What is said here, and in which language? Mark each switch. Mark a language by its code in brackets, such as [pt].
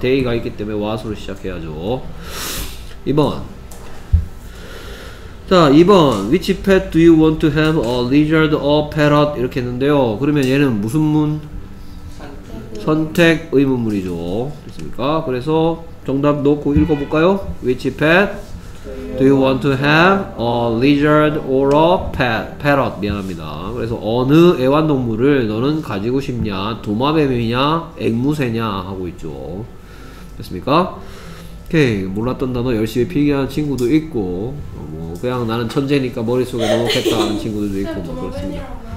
[ko] day가 있기 때문에 what으로 시작해야죠. 2번. [en] 자, 2번 Which pet do you want to have? A lizard or parrot? [ko] 이렇게 했는데요. 그러면 얘는 무슨 문? 선택 의문문이죠. 됐습니까? 그래서 정답 놓고 읽어볼까요? [en] Which pet do you want to have? A lizard or a parrot? [ko] 미안합니다. 그래서 어느 애완동물을 너는 가지고 싶냐? 도마뱀이냐? 앵무새냐? 하고 있죠. 됐습니까? 오케이, 몰랐던 단어 열심히 필기한 친구도 있고, 뭐 그냥 나는 천재니까 머릿속에 넣어놓겠다 하는 친구들도 있고, 뭐 그렇습니다.